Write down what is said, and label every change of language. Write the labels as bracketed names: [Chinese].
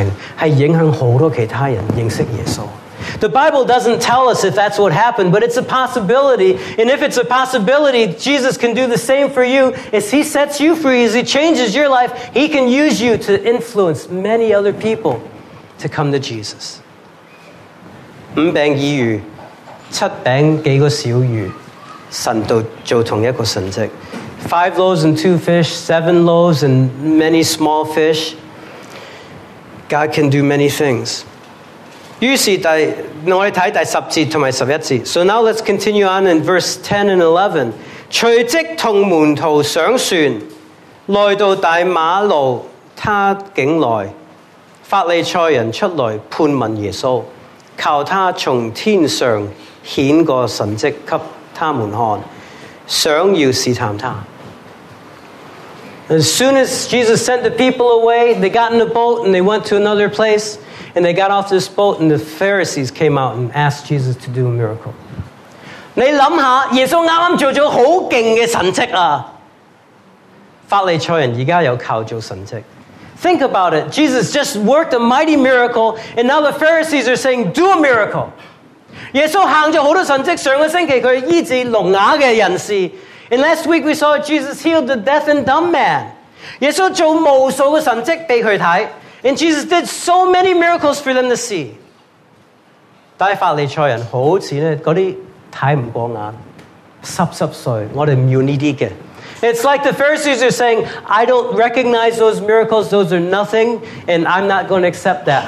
[Chinese] 弟兄姊妹,圣经没有说清楚,是一个假设。如果是,多厉害,神可以释放你,用得着你的生命,是影响很多其他人认识耶稣。 [English] The Bible doesn't tell us if that's what happened, but it's a possibility. And if it's a possibility, Jesus can do the same for you. As he sets you free, as he changes your life, he can use you to influence many other people to come to Jesus. [Chinese] 五饼二鱼,七饼几个小鱼,神都做同一个神迹。 [English] 5 loaves and 2 fish, 7 loaves and many small fish. God can do many things. [Chinese] 于是我们看第10节和11节。 [English] So now let's continue on in verse 10 and 11. [Chinese] 随即同门徒上船，来到大马路他境内，法利赛人出来盼问耶稣，求他从天上显个神迹给他们看，想要试探他。 [English] As soon as Jesus sent the people away, they got in a boat and they went to another place. And they got off this boat and the Pharisees came out and asked Jesus to do a miracle. [Chinese] 你想想, 耶稣刚刚做了很厉害的神迹, 法利赛人现在又靠做神迹。 [English] Think about it. Jesus just worked a mighty miracle and now the Pharisees are saying, do a miracle. [Chinese] 耶稣行了很多神迹, 上个星期他医治聋哑的人士, [English] and last week we saw Jesus healed the deaf and dumb man. [Chinese] 耶稣做无数的神迹给他看, [English] and Jesus did so many miracles for them to see. [Chinese] 但法利赛人好像那些看不过眼, 湿湿碎, 我们不要这些的。 [English] It's like the Pharisees are saying, I don't recognize those miracles, those are nothing, and I'm not going to accept that.